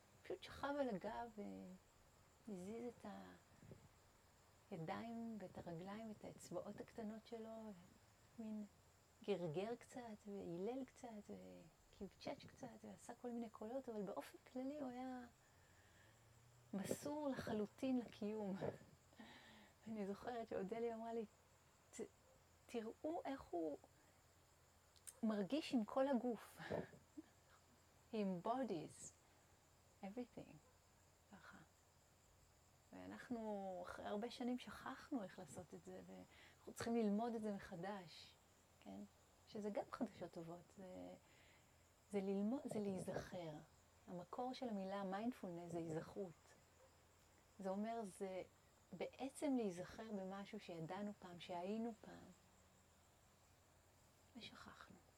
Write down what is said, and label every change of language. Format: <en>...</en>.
<he>פשוט שכב על הגב ומזיז את הידיים ואת הרגליים, את האצבעות הקטנות שלו, מין גרגר קצת ואילל קצת וקיבצ'אץ' קצת ועשה כל מיני קולות, אבל באופן כללי הוא היה מסור לחלוטין לקיום. אני זוכרת שאודלי אמרה לי, תראו איך הוא מרגיש עם כל הגוף.</he> <en>He embodies everything.</en> <he>ככה. ואנחנו אחרי הרבה שנים שכחנו איך לעשות את זה, ואנחנו צריכים ללמוד את זה מחדש. כן? שזה גם חדשות טובות. זה ללמוד, זה להיזכר. המקור של המילה mindfulness זה היזכרות. זה אומר, זה בעצם להיזכר במשהו שידענו פעם, שהיינו פעם, ושכחנו.</he>